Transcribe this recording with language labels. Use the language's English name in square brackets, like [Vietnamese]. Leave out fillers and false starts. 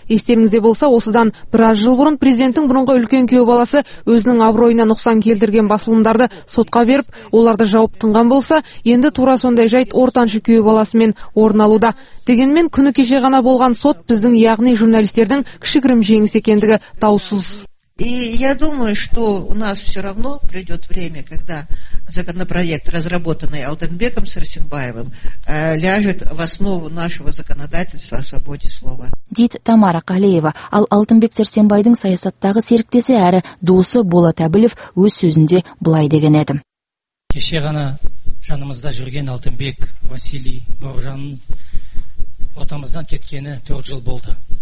[Kazakh] Естеріңізде болса, осыдан біраз жыл бұрын президенттің бұрынғы үлкен күйеу баласы өзінің абыройына нұқсан келтірген басылымдарды сотқа беріп, оларды жауып тынған болса, енді тура сондай жайт ортаншы күйеу баласымен орын алуда. Дегенмен күні кеше ғана болған сот біздің, яғни журналистердің кішігірім жеңіс екендігі даусыз. [Russian] И я думаю, что у нас все равно придет время, когда законопроект, разработанный Алтынбеком Сарсенбаевым, ляжет в основу нашего законодательства о свободе слова. [Kazakh] Дейді Тамара Қалеева, ал Алтынбек Сарсенбайдың саясаттағы серіктесі әрі досы Болат Әбілев өз сөзінде былай деген еді. Кеше ғана жанымызда жүрген Алтынбек Василий Бауыржанның отамыздан кеткені 4 жыл болды.